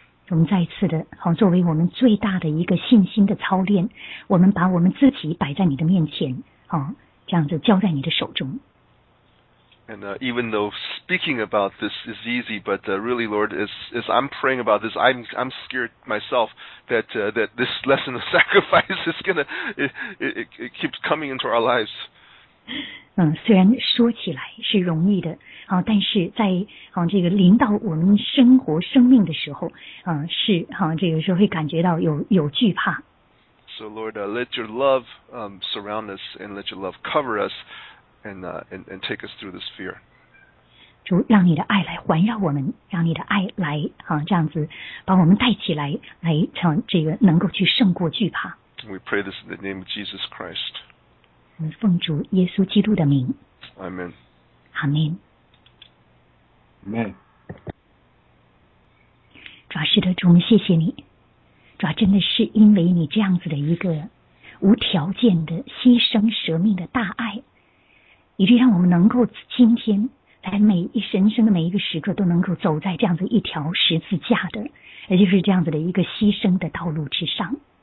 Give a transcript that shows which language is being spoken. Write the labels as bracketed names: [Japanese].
[Chinese] 我们再一次的作为我们最大的一个信心的操练，我们把我们自己摆在你的面前这样子交在你的手中。 [English] And even though speaking about this is easy, but really Lord, as I'm praying about this, I'm scared myself that, that this lesson of sacrifice is gonna, it keeps coming into our lives. [Chinese] 虽然说起来是容易的但是在这个临到我们生活生命的时候是这个时候会感觉到有惧怕。 [English] So Lord, let your love surround us and let your love cover us and take us through this fear. [Chinese] 主，让你的爱来环绕我们，让你的爱来这样子把我们带起来，来这个能够去胜过惧怕。 [English] We pray this in the name of Jesus Christ. [Chinese] 我们奉主耶稣基督的名。 [English] Amen. Amen. Amen. [Chinese] 主啊，是的，主，我们谢谢你。主啊，真的是因为你这样子的一个无条件的牺牲舍命的大爱，以至于让我们能够今天来每一神圣的每一个时刻都能够走在这样子一条十字架的，也就是这样子的一个牺牲的道路之上。